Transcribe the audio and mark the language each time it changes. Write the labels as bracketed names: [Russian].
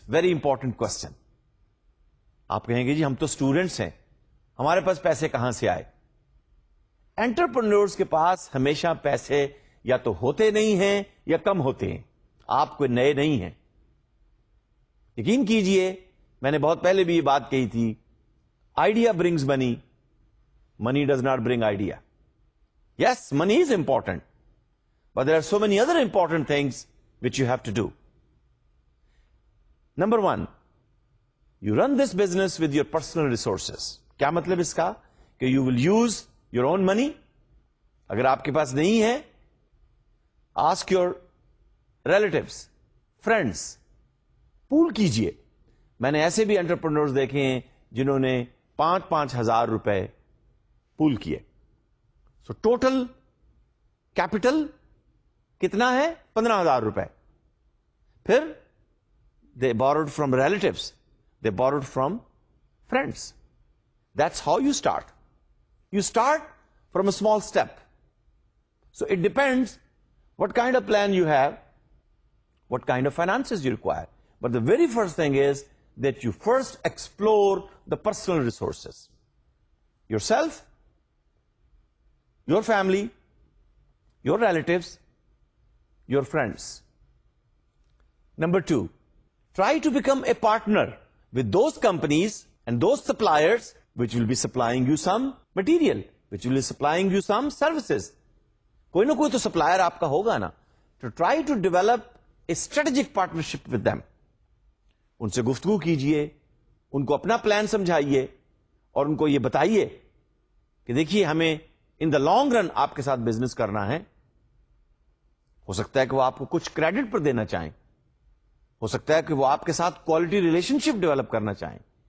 [English] Very important question. [Urdu] آپ کہیں گے جی ہم تو اسٹوڈنٹس ہیں, ہمارے پاس پیسے کہاں سے آئے؟ انٹرپرنیورس کے پاس ہمیشہ پیسے یا تو ہوتے نہیں ہیں یا کم ہوتے ہیں. آپ کوئی نئے نہیں ہیں. یقین کیجئے میں نے بہت پہلے بھی یہ بات کہی تھی, [English] Idea brings money, money does not bring idea. Yes money is important, but there are so many other important things which you have to do. Number one, you run this business with your personal resources. [Urdu] کیا مطلب اس کا؟ کہ [English] You will use your own money. [Urdu] اگر آپ کے پاس نہیں ہے, [English] ask your relatives, [Urdu] friends, پول کیجئے. میں نے ایسے بھی انٹرپرنورز دیکھے ہیں جنہوں نے 5,000 روپے پول کیے. سو ٹوٹل کیپیٹل کتنا ہے؟ 15,000 روپے. [English] پھر they borrowed from relatives, they borrowed from friends. That's how you start. You start from a small step. So it depends what kind of plan you have, what kind of finances you require. But the very first thing is that you first explore the personal resources, yourself, your family, your relatives, your friends. Number two, try to become a partner with those companies and those suppliers which will be supplying you some material, which will be supplying you some services. [Urdu] Koi na koi to supplier aapka hoga na. [English] To try to develop a strategic partnership with them. [Urdu] ان سے گفتگو کیجئے, ان کو اپنا plan سمجھائیے اور ان کو یہ بتائیے کہ دیکھیے ہمیں [English] in the long run [Urdu] آپ کے ساتھ بزنس کرنا ہے. ہو سکتا ہے کہ وہ آپ کو کچھ کریڈٹ پر دینا چاہیں, ہو سکتا ہے کہ وہ آپ کے ساتھ کوالٹی ریلیشن شپ ڈیولپ کرنا چاہیں.